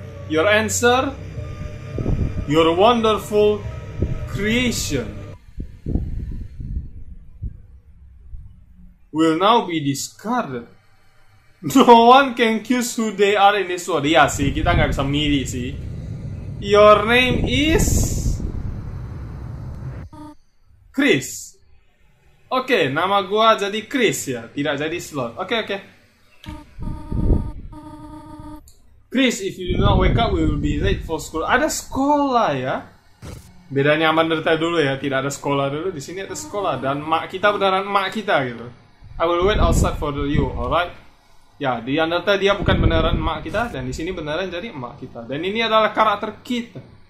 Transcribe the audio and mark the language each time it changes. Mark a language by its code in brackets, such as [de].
[en] Your answer, your wonderful creation will now be discarded. No one can choose who they are in this world. [id] Ya sih, kita gak bisa milih sih. [en] Your name is Chris. [id] Oke, nama gua jadi Chris ya, tidak jadi Slot. Oke, oke. [en] Chris, if you do not wake up, we will be late for school. [id] Ada sekolah ya. Bedanya sama Undertale dulu ya, tidak ada sekolah dulu. Di sini ada sekolah dan mak kita beneran mak kita gitu. [en] I will wait outside for you, alright? [id] Ya, di Undertale dia bukan beneran emak kita, dan di sini beneran jadi emak kita. Dan ini adalah karakter kita.